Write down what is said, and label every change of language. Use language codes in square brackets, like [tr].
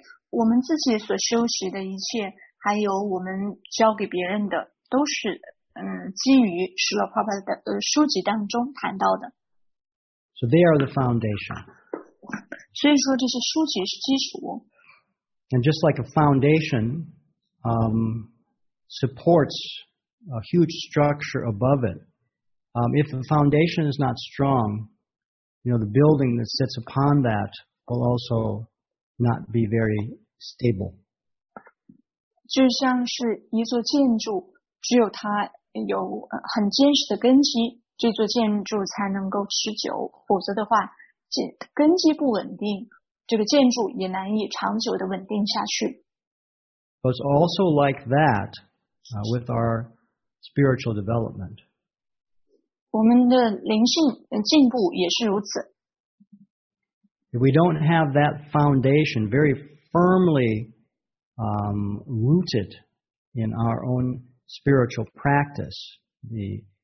[zh] 我们自己所修习的一切还有我们教给别人的都是基于Srila Prabhupada的书籍当中谈到的。 [en] So they are the foundation. [zh] 所以说这些书籍是基础。 [en] And just like a foundation, supports a huge structure above it, if the foundation is not strong, you know, the building that sits upon that will also not be very,stable. [zh] 就像是一座建筑，只有它有很坚实的根基，这座建筑才能够持久，否则的话，根基不稳定，这个建筑也难以长久的稳定下去。 [en] It's also like that, with our spiritual development. [zh] 我们的灵性进步也是如此。 [en] If we don't have that foundation, very firmly rooted in our own spiritual practice, the